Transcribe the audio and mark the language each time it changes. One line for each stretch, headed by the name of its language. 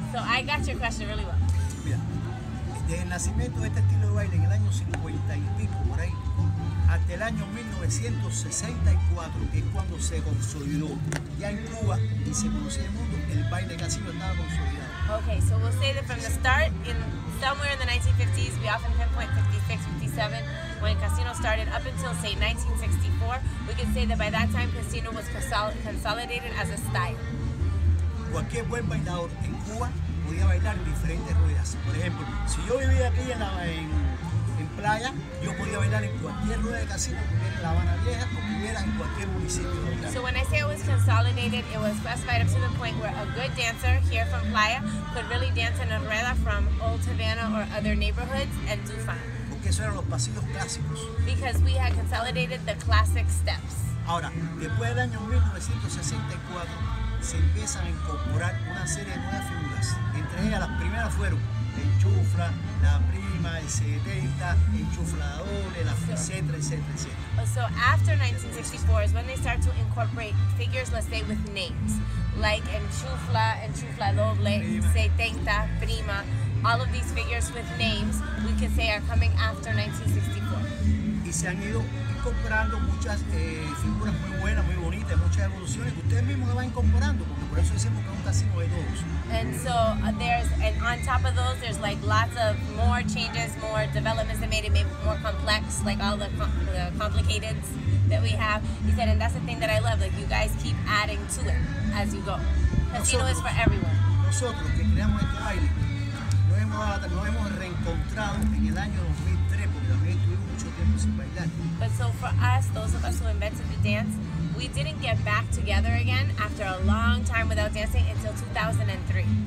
English: So I got your question really well.
Spanish: Mira, desde el nacimiento de este estilo de baile en el año 50 y pico, por ahí, hasta el año 1964, que es cuando se consolidó ya en Cuba y se conoció el mundo, el baile casino estaba consolidado.
English: Okay, so we'll say that from the start, somewhere in the 1950s, we often pinpoint 56, 57, when casino started, up until, say, 1964, we can say that by that time, casino was consolidated as a style.
Spanish: Cualquier buen bailador en Cuba podía bailar diferentes ruedas. Por ejemplo, si yo vivía aquí en playa, yo podía bailar en cualquier rueda de casino, en La Habana Vieja, o viviera en cualquier municipio.
English: So when I say it was consolidated, it was classified up to the point where a good dancer here from playa could really dance in a rueda from Old Havana or other neighborhoods and do fine.
Spanish: Porque esos eran los pasillos clásicos.
English: Because we had consolidated the classic steps.
Spanish: Ahora, después del año 1964, se empiezan a incorporar una serie de nuevas figuras. Entre ellas, las primeras fueron el chufra, la prima, el 70, el chufladole, la etcétera, etcétera, etcétera.
English: So after 1964 is when they start to incorporate figures, let's say, with names, like el chufla, el chufladole, 70, prima. All of these figures with names, we can say, are coming after 1964.
Spanish: y se han ido incorporando muchas figuras muy buenas, muy bonitas, muchas evoluciones que ustedes mismos van incorporando, porque por eso decimos que es un casino de todos.
English: And so there's, and on top of those, there's like lots of more changes, more developments that made it more complex, like all the complicated that we have. He said, and that's the thing that I love, like you guys keep adding to it as you go. Casino is for everyone.
Spanish: Nosotros que creamos este baile, nos hemos reencontrado en el año 2003, porque también estuvimos mucho tiempo sin bailar.
English: But so for us, those of us who invented the dance, we didn't get back together again after a long time without dancing until 2003.